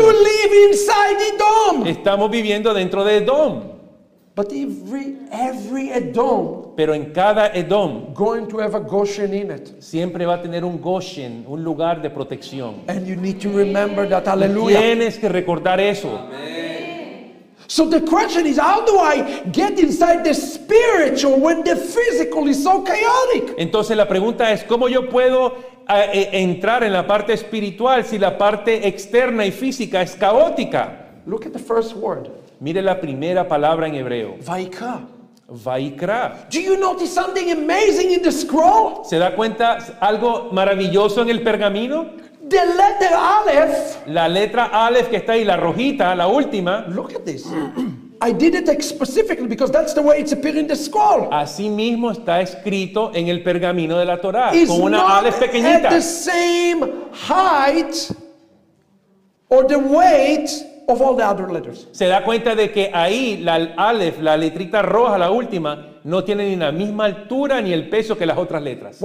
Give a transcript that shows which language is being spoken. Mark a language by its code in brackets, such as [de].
[en] You live inside Edom. [es] Estamos viviendo dentro de Edom. [en] But every Edom. [es] Pero en cada Edom. [en] Going to have a Goshen in it. [es] Siempre va a tener un Goshen, un lugar de protección. [en] And you need to remember that. Hallelujah. [es] Tienes que recordar eso. Amen. [en] So the question is, how do I get inside the spiritual when the physical is so chaotic? [es] Entonces la pregunta es, ¿cómo yo puedo entrar en la parte espiritual si la parte externa y física es caótica? [en] Look at the first word. [es] Mire la primera palabra en hebreo. [he] Vaikra. Vaikra. [en] Do you notice something amazing in the scroll? [es] ¿Se da cuenta algo maravilloso en el pergamino? [en] The letter Aleph. [es] La letra Aleph que está ahí, la rojita, la última. [en] Look at this. I did it specifically because that's the way it's appearing in the scroll. [es] Así mismo está escrito en el pergamino de la Torá, [en] it's [es] con una Aleph pequeñita. [en] At the same height or the weight of all the other letters. [es] Se da cuenta de que ahí la Aleph, la letrita roja, la última, no tiene ni la misma altura ni el peso que las otras letras.